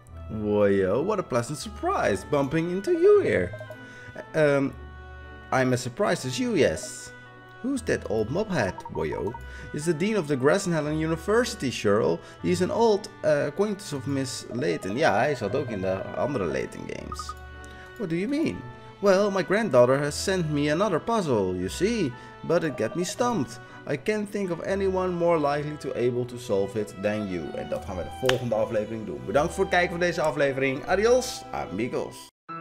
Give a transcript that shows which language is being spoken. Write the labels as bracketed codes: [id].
[en] Whoa, what a pleasant surprise, bumping into you here. I'm as surprised as you, yes. Who's that old mob hat, Boyo? He's the dean of the Grassenhallen University, Cheryl. He's an old acquaintance of Miss Layton. [nl] Yeah, hij zat ook in de andere Layton games. [en] What do you mean? Well, my granddaughter has sent me another puzzle, you see, but it got me stumped. I can't think of anyone more likely to able to solve it than you. [nl] En dat gaan we de volgende aflevering doen. Bedankt voor het kijken van deze aflevering. Adios, amigos.